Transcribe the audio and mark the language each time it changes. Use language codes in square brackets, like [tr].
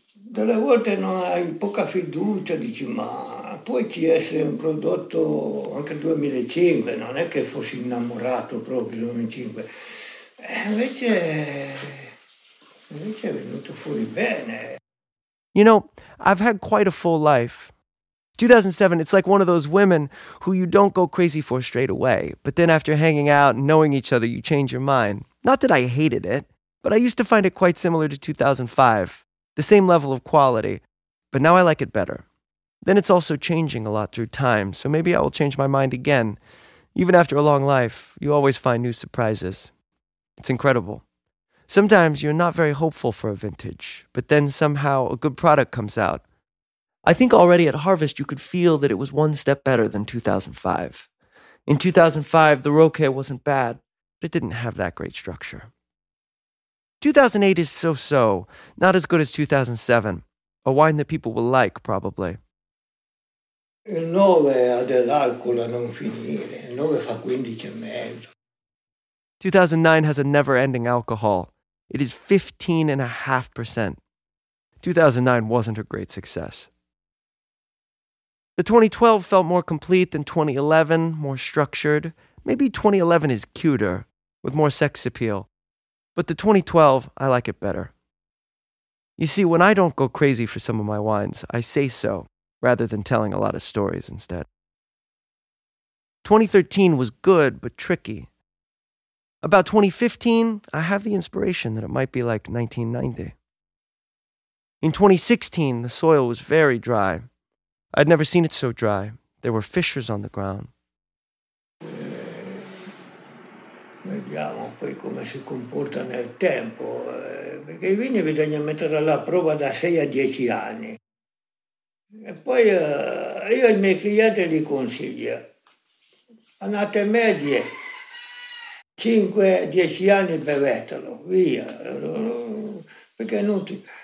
[it] Delle volte non hai poca fiducia, dici, ma poi ci essere un prodotto, anche 2005, non è che fossi innamorato proprio del 2005. Invece è venuto fuori bene. [en] You know, I've had quite a full life. 2007, it's like one of those women who you don't go crazy for straight away, but then after hanging out and knowing each other, you change your mind. Not that I hated it, but I used to find it quite similar to 2005. The same level of quality, but now I like it better. Then it's also changing a lot through time, so maybe I will change my mind again. Even after a long life, you always find new surprises. It's incredible. Sometimes you're not very hopeful for a vintage, but then somehow a good product comes out. I think already at harvest you could feel that it was one step better than 2005. In 2005, the Roque wasn't bad, but it didn't have that great structure. 2008 is so-so, not as good as 2007. A wine that people will like, probably. [it] Il 9 ha dell'alcol a non finire. Il 9 fa 15 e mezzo. [en] 2009 has a never-ending alcohol. It is 15.5%. 2009 wasn't a great success. The 2012 felt more complete than 2011, more structured. Maybe 2011 is cuter, with more sex appeal. But the 2012, I like it better. You see, when I don't go crazy for some of my wines, I say so, rather than telling a lot of stories instead. 2013 was good, but tricky. About 2015, I have the inspiration that it might be like 1990. In 2016, the soil was very dry. I'd never seen it so dry. There were fissures on the ground. [it] Vediamo poi come si comporta nel tempo, perché i vini bisogna mettere alla prova da 6 a 10 anni. E poi io ai miei clienti li consiglio. Annate medie, 5-10 anni bevetelo, via. Perché è inutile.